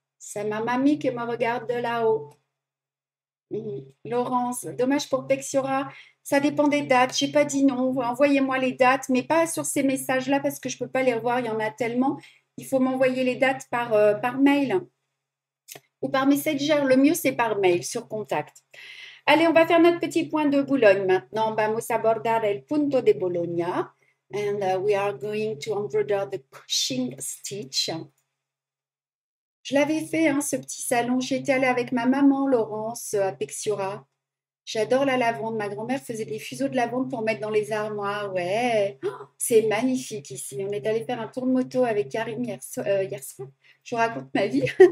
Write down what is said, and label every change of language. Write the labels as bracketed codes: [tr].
[fr] C'est ma mamie qui me regarde de là-haut. Laurence, dommage pour Pexiora. Ça dépend des dates. J'ai pas dit non. Envoyez-moi les dates, mais pas sur ces messages-là parce que je ne peux pas les revoir. Il y en a tellement. Il faut m'envoyer les dates par mail. Ou par Messenger, le mieux c'est par mail, sur contact. Allez, on va faire notre petit point de Boulogne maintenant. [es] Vamos abordar el punto de Bologna. [en] And we are going to embroider the Cushing stitch. [fr] Je l'avais fait, hein, ce petit salon. J'étais allée avec ma maman, Laurence, à Pexiora. J'adore la lavande. Ma grand-mère faisait des fuseaux de lavande pour mettre dans les armoires. Ouais, oh, c'est magnifique ici. On est allé faire un tour de moto avec Karim hier soir. Je vous raconte ma vie.